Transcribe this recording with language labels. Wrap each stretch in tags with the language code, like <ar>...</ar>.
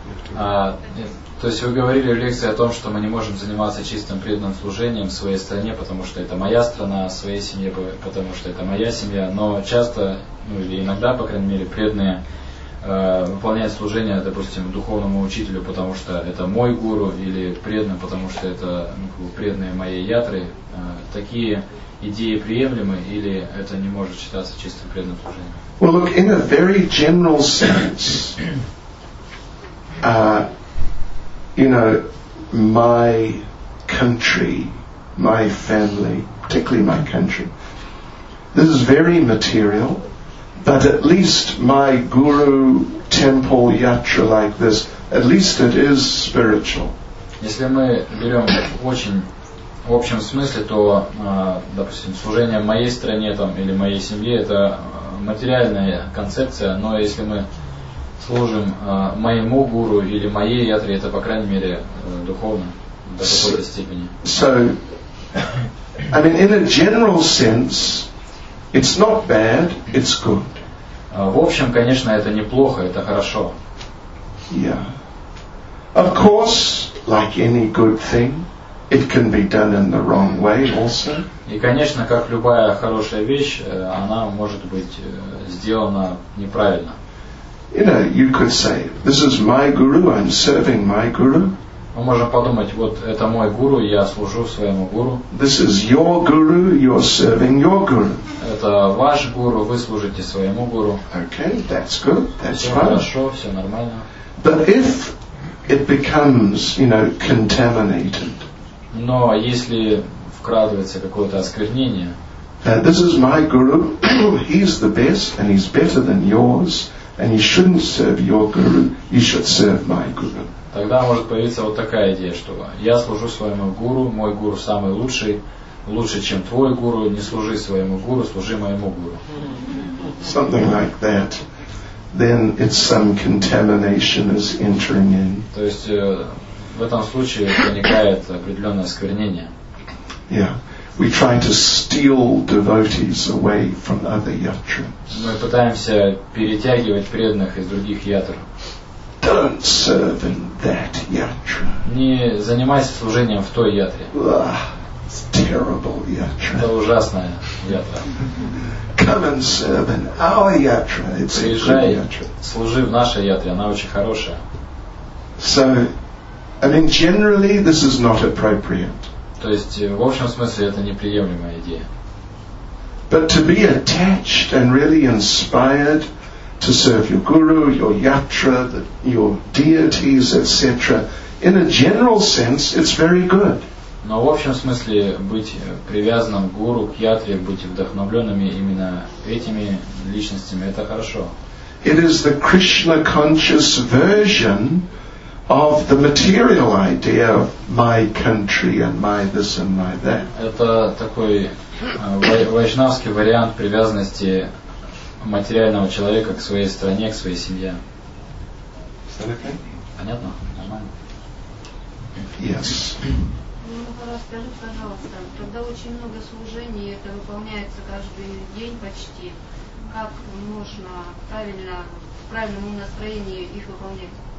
<ru>То есть вы говорили в лекции о том, что мы не можем заниматься чистым преданным служением в своей стране, потому что это моя страна, в своей семье, потому что это моя семья, но часто, ну или иногда, по крайней мере, преданные выполняют служение, допустим, духовному учителю, потому что это мой гуру, или преданным, потому что это, ну, преданные моей ятры. Такие идеи приемлемы, или это не может считаться чистым преданным служением?</ru> <en>Well, look, in a very general sense, you know, my country, my family, particularly my country, this is very material, but at least my guru, temple, yatra like this, at least it is spiritual.</en> <ru>Если мы берем очень в общем смысле, то, допустим, служение моей стране там, или моей семье, это материальная концепция, но если мы служим моему гуру или моей ятре, это по крайней мере духовно до какой-то степени.</ru> <en>So, I mean, in a general sense, it's not bad, it's good.</en> <ru>В общем, конечно, это неплохо, это хорошо.</ru> <en>Yeah. Of course, like any good thing, it can be done in the wrong way also.</en> <ru>И, конечно, как любая хорошая вещь, она может быть сделана неправильно.</ru> <en>You know, you could say, this is my guru, I'm serving my guru.</en> <ru>Мы можем подумать, вот это мой гуру, я служу своему гуру.</ru> <en>This is your guru, you're serving your guru.</en> <ru>Это ваш гуру, вы служите своему гуру.</ru> <en>Okay, that's good, that's fine.</en> <ru>Все хорошо, все нормально.</ru> <en>But if it becomes, you know, contaminated,</en> <ru>но если вкрадывается какое-то осквернение.</ru> <en>This is my guru. He's the best, and he's better than yours, and you shouldn't serve your guru. You should serve my guru.</en> <ru>Тогда может появиться вот такая идея, что я служу своему гуру, мой гуру самый лучший, лучше, чем твой гуру. Не служи своему гуру, служи моему гуру.</ru> <en>Something like that. Then it's some contamination is entering in.</en> <ru>То есть в этом случае возникает определенное осквернение.</ru> <en>Yeah. We try to steal devotees away from other yatras.</en> <ru>Мы пытаемся перетягивать преданных из других ятр.</ru> <en>Don't serve in that yatra.</en> <ru>Не занимайся служением в той ятре.</ru> <en>It's terrible yatra.</en> <ru>Это ужасная ятра.</ru> <en>Come and serve in our yatra. It's a good yatra.</en> <ru>Служи в нашей ятре, она очень хорошая.</ru> <en>So, I mean, generally, this is not appropriate.</en> <ru>То есть, в общем смысле, это неприемлемая идея.</ru> <en>But to be attached and really inspired to serve your guru, your yatra, your deities, etc., in a general sense, it's very good.</en> <ru>Но в общем смысле быть привязанным к гуру, к ятре, быть вдохновленными именно этими личностями, это хорошо.</ru> <en>It is the Krishna conscious version of the material idea of my country and my this and my that.</en> <ru>Это такой вайшнавский вариант привязанности материального человека к своей стране, к своей семье. Okay? Понятно? Нормально?</ru> <en>Yes.</en> <ru>Скажите, пожалуйста, когда очень много служений, это выполняется каждый день почти, как можно правильно, в правильном настроении их выполнять?</ru>